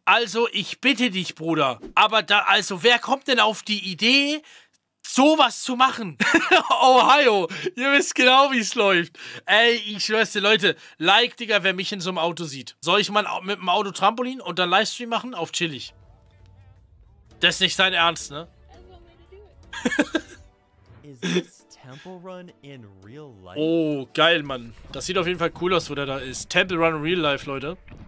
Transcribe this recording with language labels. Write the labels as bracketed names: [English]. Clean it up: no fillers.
[German] Also, ich bitte dich, Bruder. Aber da... Also, wer kommt denn auf die Idee, sowas zu machen? Ohio, ihr wisst genau, wie es läuft. Ey, ich schwör's dir, Leute. Like, Digga, wer mich in so einem Auto sieht. Soll ich mal mit dem Auto Trampolin und dann Livestream machen? Auf chillig. Das ist nicht sein Ernst, ne? [English] Is this Temple Run in real life? [German] Oh, geil, Mann. Das sieht auf jeden Fall cool aus, wo der da ist. Temple Run [English] in real life, [German] Leute.